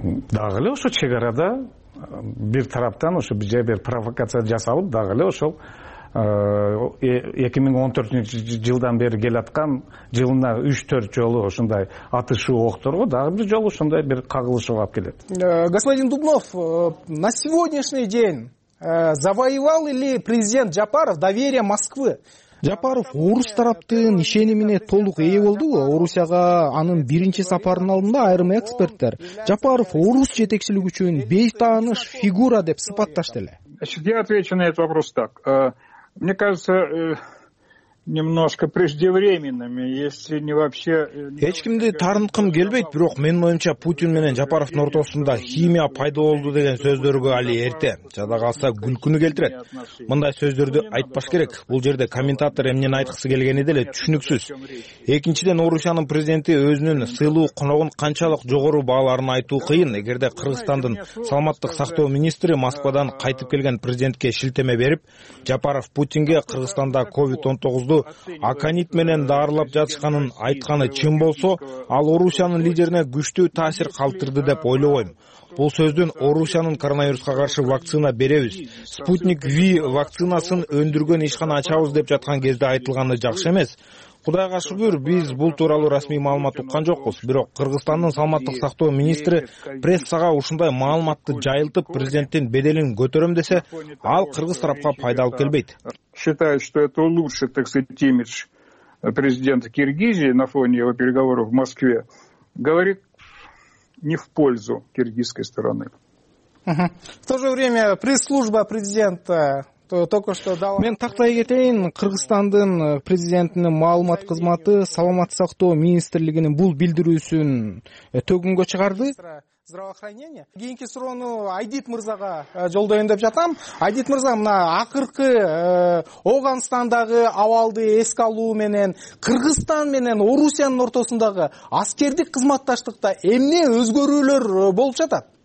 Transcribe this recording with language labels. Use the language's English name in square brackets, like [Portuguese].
[Kyrgyz] Дагы эле ошо чек арада бир тараптан ошо бизге бир провокация жасалып, дагы эле ошол 2014 жылдан бери келаткан жылына 3-4 жолу ушундай атышуу окторго дагы бир жолу ушундай бир кагылышуу алып келет. [Russian] Господин Дубнов, на сегодняшний день завоевал или президент Жапаров доверие Москвы? [Kyrgyz] Жапаров орус тараптын ишенимине толук ээ болдубу? Орусияга анын биринчи сапарынын алдында айрым эксперттер Жапаров орус жетекчилиги үчүн бейтааныш фигура деп сыпатташты эле. [Russian] Я отвечу на этот вопрос так. Мне кажется, немножко преждевременными, если не вообще. [Kyrgyz] Эч кимди таарынткым келбейт, бирок менин оюмча Путин менен Жапаровдун ортосунда химия пайда болду деген сөздөргө али эрте. Жада калса күн күнү келтирет. Мындай сөздөрдү айтпаш керек. Бул жерде комментатор эмнени айткысы келгени деле түшүнүксүз. Экинчиден, Орусиянын президенти өзүнүн сыйлуу коногун канчалык жогору бааларын айтуу кыйын. Эгерде Кыргызстандын саламаттык сактоо министри Москвадан кайтып келген президентке шилтеме берип, Жапаров Путинге Кыргызстанда COVID-19 аконит менен дарылап жатышканын айтканы чын болсо, ал Орусиянын лидерине күчтүү таасир калтырды деп ойлобойм. Бул сөздүн Орусиянын коронавируска каршы вакцина беребиз, Спутник V вакцинасын өндүргөн ишкана ачабыз деп жаткан кезде айтылганы жакшы эмес. Кудайга шүгүр, биз бул тууралуу расмий маалымат уккан жокпуз. Бирок Кыргызстандын саламаттык сактоо министри прессага ушундай маалыматты жайылтып, президенттин беделин көтөрөм десе, ал кыргыз тарапка пайдалуу келбейт. [Russian] Считаю, что это лучше, так сказать, имидж президента Киргизии на фоне его переговоров в Москве говорит не в пользу киргизской стороны. В то же время пресс-служба президента только что дал. [Kyrgyz] Мен тактай кетейин, Кыргызстандын президентинин маалымат кызматы саламат сактоо министрлигинин бул билдирүүсүн төгүнгө чыгарды. [Russian] Здравоохранения. [Kyrgyz] Кийинки суроону Айдит мырзага жолдойюн деп жатам. Айдит мырза, мына акыркы Ооганстандагы абалды эске алуу менен Кыргызстан менен Орусиянын ортосундагы аскердик кызматташтыкта эмне өзгөрүүлөр болуп жатат?